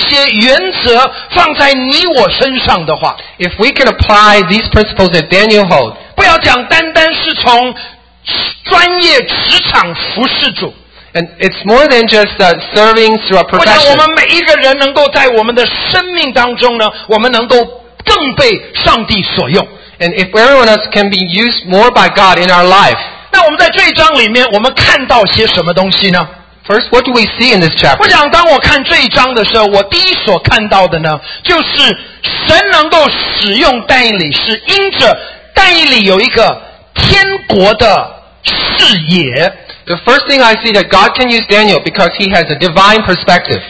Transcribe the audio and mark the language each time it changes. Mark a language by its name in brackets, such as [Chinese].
[Chinese] 若是今天你我能够把但以理的这些原则放在你我身上的话, [English] if we can apply these principles that Daniel hold, [Chinese] 不要讲单单是从 专业职场服侍主, [English] and it's more than just serving through a profession. [Chinese] 我想我们每一个人能够在我们的生命当中呢, 我们能够更被上帝所用。 [English] And if everyone else can be used more by God in our life, [Chinese] 那我们在这一章里面, 我们看到些什么东西呢? [English] First, what do we see in this chapter? [Chinese] 我想当我看这一章的时候, 我第一所看到的呢, 就是神能够使用但以理, 是因着但以理有一个天国的 [English] The first thing I see that God can use Daniel because he has a divine perspective.